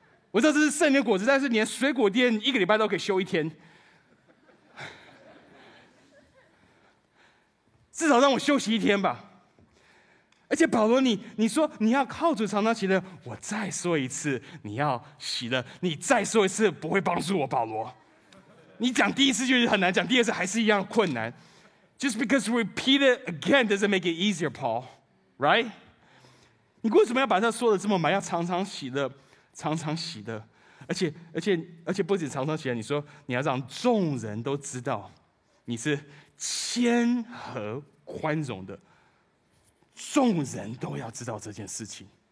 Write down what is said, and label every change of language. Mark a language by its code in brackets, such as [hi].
[zh] 我知道这是圣灵的果子，但是连水果店一个礼拜都可以休一天，至少让我休息一天吧。而且保罗，你说你要靠主常常喜乐，我再说一次，你要喜乐，你再说一次不会帮助我，保罗。你讲第一次就是很难，讲第二次还是一样困难。 [en] Just because repeat it again doesn't make it easier, Paul. [zh] Right? 你为什么要把它说的这么满？要常常喜乐，常常喜乐，而且不止常常喜乐，你说你要让众人都知道你是谦和宽容的，众人都要知道这件事情。